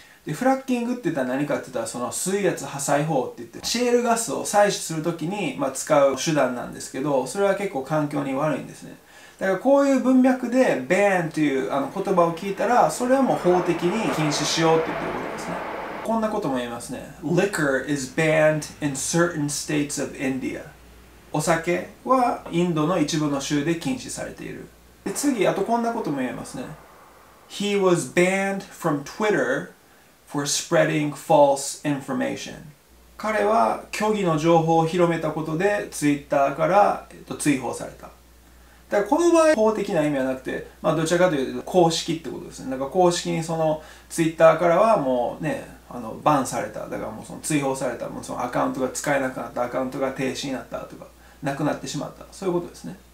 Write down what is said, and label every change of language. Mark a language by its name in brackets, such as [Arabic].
[Japanese] でフラッキングって言ったら何かって言ったら、その水圧破砕法って言ってシェールガスを採取するときに使う手段なんですけど、それは結構環境に悪いんですね。だからこういう文脈で ban という言葉を聞いたら、それはもう法的に禁止しようって言ってることですね。こんなことも言いますね。 [English] Liquor is banned in certain states of India。 [Japanese] お酒はインドの一部の州で禁止されている。で次、あとこんなことも言いますね。 [English] He was banned from Twitter for spreading false information。 [Japanese] 彼は虚偽の情報を広めたことで Twitter から追放された。だからこの場合法的な意味はなくて、どちらかというと公式ってことですね。だから公式にそのツイッターからはもうね、バンされた、だからもうその追放された、もうそのアカウントが使えなくなった、アカウントが停止になったとかなくなってしまった、そういうことですね。